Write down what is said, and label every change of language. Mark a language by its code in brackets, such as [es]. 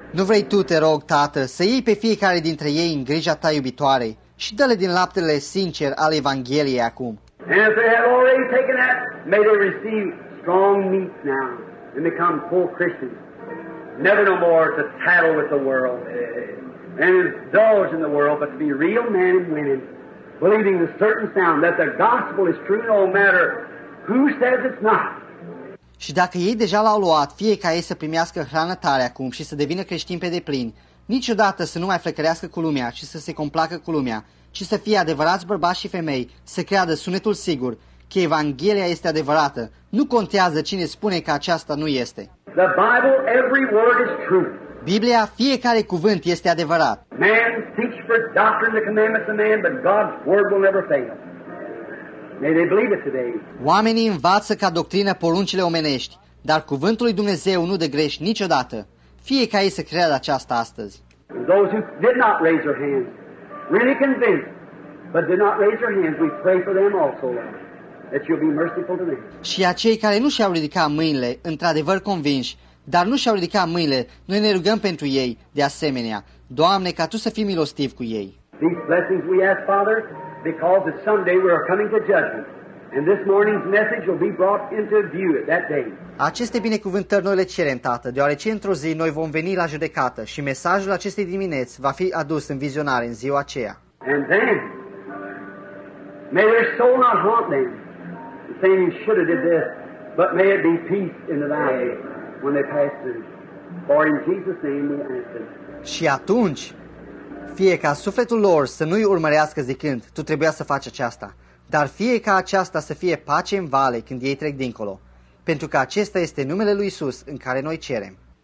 [ro] Nu vrei tu, te rog, Tată, să iei pe fiecare dintre ei în grija ta iubitoare și dă-le din laptele sincer al Evangheliei acum. [en] And if they have already taken that, may they receive strong meat now and become full Christians. Never no more to tattle with the world and indulge in the world, but to be real men and women, believing the certain sound that the gospel is true no matter who says it's not. [ro] Și dacă ei deja l-au luat, fie ca ei să primească hrană tare acum și să devină creștini pe deplin, niciodată să nu mai flecărească cu lumea și să se complacă cu lumea, ci să fie adevărați bărbați și femei, să creadă sunetul sigur că Evanghelia este adevărată. Nu contează cine spune că aceasta nu este. [en] The Bible, every word is true. [ro] Biblia, fiecare cuvânt este adevărat. [en] Man teaches for doctrine the commandments of man, but God's word will never fail. May they believe it today. [ro] Oamenii învață ca doctrină poruncile omenești, dar cuvântul lui Dumnezeu nu degrește niciodată. Fie ca ei să creadă aceasta astăzi. [en] And those who did not raise their hands, really convinced, but did not raise their hands, we pray for them also. That you'll be merciful to them. [ro] Și acei care nu și-au ridicat mâinile, într-adevăr convinși, dar nu și-au ridicat mâinile, noi ne rugăm pentru ei, de asemenea. Doamne, ca Tu să fii milostiv cu ei. [en] These blessings we ask, Father, because that someday we are coming to judgment, and this morning's message will be brought into view at that day. [ro] Aceste binecuvântări noi le cerem, Tată, deoarece într-o zi noi vom veni la judecată și mesajul acestei dimineți va fi adus în vizionare în ziua aceea. [en] And then, may their soul not haunt them. Saying you should have did this, but may it be peace in the valley when they pass through. For in Jesus' name we ask it. [ro] Și atunci, fie ca sufletul lor să nu-i urmărească zicând, tu trebuia să faci aceasta, dar fie ca aceasta să fie pace în vale când ei trec dincolo. pentru că acesta este numele lui Iisus în care noi cerem.